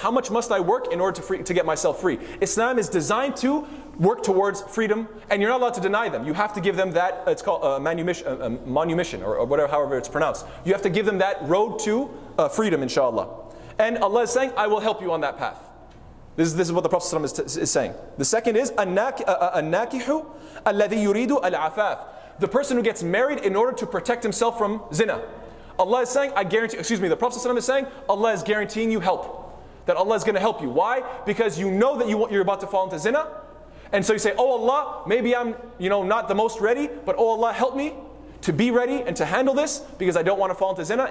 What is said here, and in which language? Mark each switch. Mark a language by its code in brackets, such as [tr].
[en] How much must I work in order to get myself free? Islam is designed to work towards freedom, and you're not allowed to deny them. You have to give them that, it's called manumission, or whatever, however it's pronounced. You have to give them that road to freedom, inshallah. And Allah is saying, I will help you on that path. This is what the Prophet ﷺ is saying. The second is, [ar] النَّاكِحُ الَّذِي يُرِيدُ الْعَفَافِ. [en] The person who gets married in order to protect himself from zina. Allah is saying, the Prophet ﷺ is saying, Allah is guaranteeing you help. That Allah is going to help you. Why? Because you know that you're about to fall into zina. And so you say, oh Allah, maybe I'm, you know, not the most ready, but oh Allah, help me to be ready and to handle this because I don't want to fall into zina.